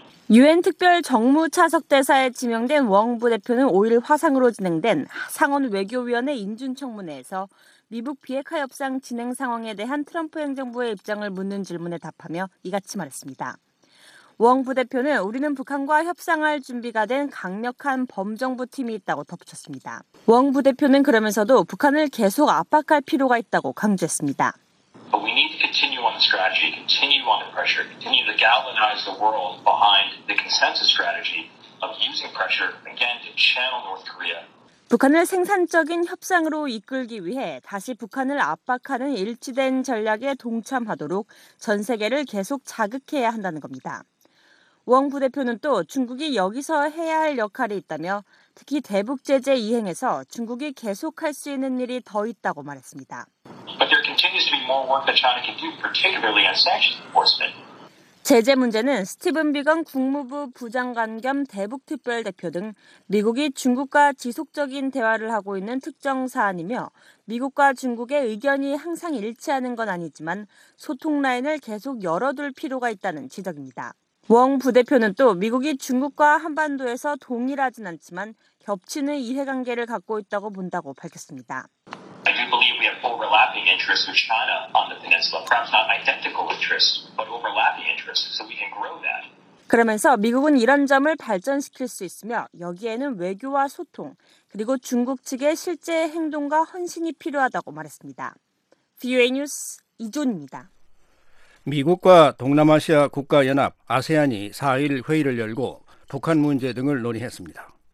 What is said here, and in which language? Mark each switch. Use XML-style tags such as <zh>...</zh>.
<ko>유엔 특별 정무차석대사에 지명된 웡 부대표는 5일 화상으로 진행된 상원 외교위원회 인준청문회에서 미북 비핵화 협상 진행 상황에 대한 트럼프 행정부의 입장을 묻는 질문에 답하며 이같이 말했습니다. 웡 부대표는 우리는 북한과 협상할 준비가 된 강력한 범정부 팀이 있다고 덧붙였습니다. 웡 부대표는 그러면서도 북한을 계속 압박할 필요가 있다고 강조했습니다.</ko> <en>But we need to continue on the strategy, continue on the pressure, continue to galvanize the world behind the consensus strategy of using pressure again to channel North Korea.</en> <ko>북한을 생산적인 협상으로 이끌기 위해 다시 북한을 압박하는 일치된 전략에 동참하도록 전 세계를 계속 자극해야 한다는 겁니다. 웡 부대표는 또 중국이 여기서 해야 할 역할이 있다며 특히 대북 제재 이행에서 중국이 계속 할 수 있는 일이 더 있다고 말했습니다.</ko> <en>But there continues to be more work that China can do, particularly on sanctions enforcement.</en> <ko>제재 문제는 스티븐 비건 국무부 부장관 겸 대북특별대표 등 미국이 중국과 지속적인 대화를 하고 있는 특정 사안이며 미국과 중국의 의견이 항상 일치하는 건 아니지만 소통 라인을 계속 열어둘 필요가 있다는 지적입니다. 웡 부대표는 또 미국이 중국과 한반도에서 동일하진 않지만 겹치는 이해관계를 갖고 있다고 본다고 밝혔습니다.</ko> <en>I do believe we have overlapping interests with China on the peninsula, perhaps not identical interests, but overlapping interests, so we can grow that.</en> <ko>그러면서 미국은 이런 점을 발전시킬 수 있으며 여기에는 외교와 소통, 그리고 중국 측의 실제 행동과 헌신이 필요하다고 말했습니다. VOA 뉴스 이존입니다. 미국과 동남아시아 국가연합 아세안이 4일 회의를 열고 북한 문제 등을 논의했습니다.</ko>